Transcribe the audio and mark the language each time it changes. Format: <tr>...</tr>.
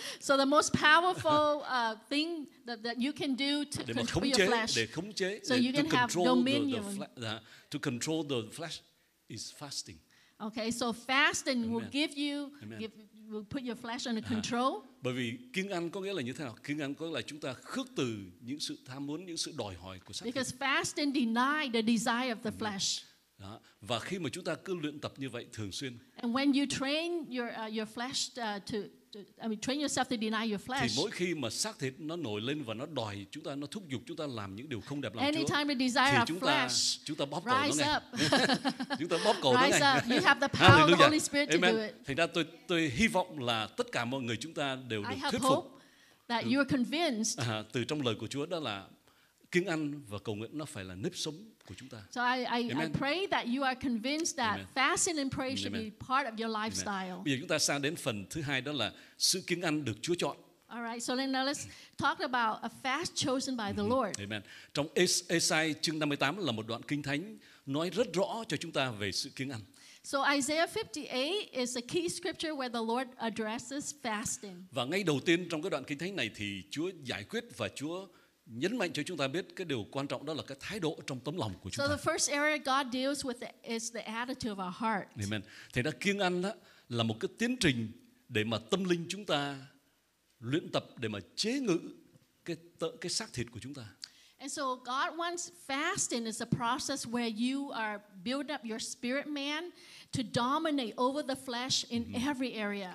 <en>So the most powerful thing that you can do to control</en> <vi>khống chế,</vi> <en>your flesh.</en> <vi>Để khống chế,</vi> <en>so</en> <vi>để</vi> <en>you can have dominion. To control the flesh is fasting. Okay, so fasting will will put your flesh under control.</en> <vi>Bởi vì kiêng ăn có nghĩa là như thế nào? Kiêng ăn có nghĩa là chúng ta khước từ những sự tham muốn, những sự đòi hỏi của xác thịt.</vi> <en>Because fasting deny the desire of the flesh.</en> <vi>Đó. Và khi mà chúng ta cứ luyện tập như vậy thường xuyên.</vi> <en>And when you train your flesh train yourself to deny your flesh.</en> <vi>Thì mỗi khi mà xác thịt nó nổi lên và nó đòi chúng ta, nó thúc giục chúng ta làm những điều không đẹp lòng</vi> <en>Chúa. Anytime the desire of flesh.</en> <vi>Chúng ta bóp cổ nó ngay. Chúng ta bóp cổ</vi> <en>rise</en> <vi>nó ngay.</vi> <en>You have the power of the Holy Spirit to Amen. Do it.</en> <vi>Thành ra tôi hy vọng là tất cả mọi người chúng ta đều được thuyết phục.</vi> <en>that you are convinced.</en> <vi>Từ trong lời của Chúa đó là kiêng ăn và cầu nguyện nó phải là nếp sống của chúng ta.</vi> <en>So I pray that you are convinced that fasting and prayer should be part of your lifestyle.</en> <vi>Bây giờ chúng ta sang đến phần thứ hai đó là sự kiêng ăn được Chúa chọn.</vi> <en>All right, so now let's talk about a fast chosen by the Lord. Amen.</en> <vi>Trong Esai chương 58 là một đoạn kinh thánh nói rất rõ cho chúng ta về sự kiêng ăn.</vi> <en>So Isaiah 58 is a key scripture where the Lord addresses fasting.</en> <vi>Và ngay đầu tiên trong cái đoạn kinh thánh này thì Chúa giải quyết và Chúa nhấn mạnh cho chúng ta biết cái điều quan trọng đó là cái thái độ trong tấm lòng của chúng ta.</vi> <en>So the first area God deals with is the attitude of our heart. Amen.</en> <vi>Thì đó kiêng ăn là một cái tiến trình để mà tâm linh chúng ta luyện tập để mà chế ngự cái xác thịt của chúng ta.</vi> <en>And so God wants fasting is a process where you are build up your spirit man to dominate over the flesh in every area.</en>